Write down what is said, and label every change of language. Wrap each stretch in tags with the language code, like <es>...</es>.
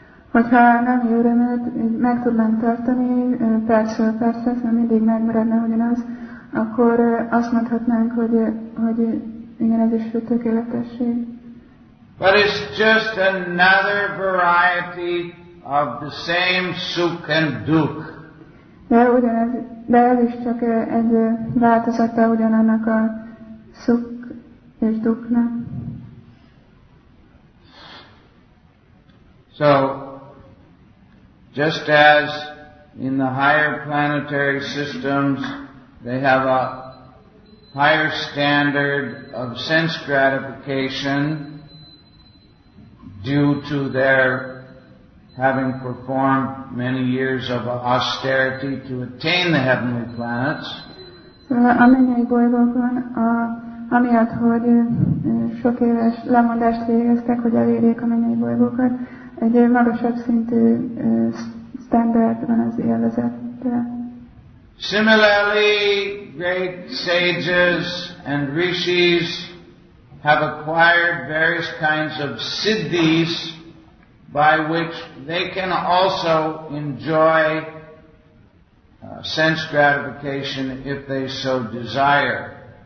<hu>Hogyha nem jó örömet meg tudnám tartani, persze, ez mindig megmaradna ugyanaz. Akkor azt mondhatnánk, hogy igen, ez is tökéletesség.</hu> <en>But it's just another variety of the same suk and duk.</en> <hu>De ugyanez, de ez is csak egy változata ugyanannak a szuk és duknak.</hu> <en>So, just as in the higher planetary systems, they have a higher standard of sense gratification due to their having performed many years of austerity to attain the heavenly planets.</en> <hu>A mennyei bolygókon, amiatt, hogy sok éves lemondást végeztek, hogy elérjék a mennyei bolygókat, egy magasabb szintű standard van az élvezetre.</hu> <en>Similarly, great sages and rishis have acquired various kinds of siddhis by which they can also enjoy sense gratification if they so desire.</en>